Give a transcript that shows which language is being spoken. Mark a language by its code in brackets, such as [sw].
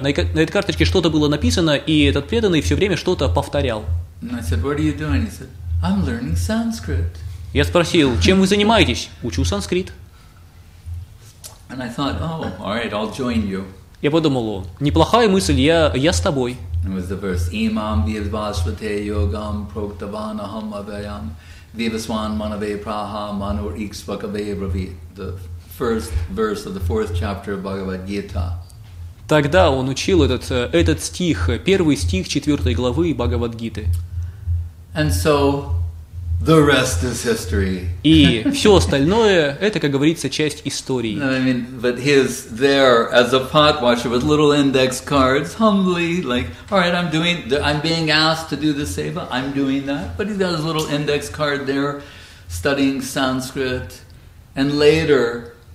[ru] На этой карточке что-то было написано, и этот преданный все время что-то повторял. [en] I said, "What are you doing?" He said, "I'm learning Sanskrit." [ru] Я спросил, чем вы занимаетесь? Учу санскрит. [en] And I thought, "Oh, all right, I'll join you." [ru] Я подумал, неплохая мысль, я с тобой. [en] It was the verse [sa] Imam Vivasvate Yogam Proktavanaham Avayam Vivaswan Manave Praha Manur Ikshvakave Ravi. [en] The first verse of the fourth chapter of Bhagavad Gita. [ru] Тогда он учил этот стих, первый стих четвертой главы Бхагавад Гиты. [en] And so the rest is history. [ru] И все остальное это, как говорится, часть истории. [en] I mean, but he's there as a pot washer with little index cards, humbly, like, all right, I'm being asked to do the seva, I'm doing that. But he's got his little index card there, studying Sanskrit. And later,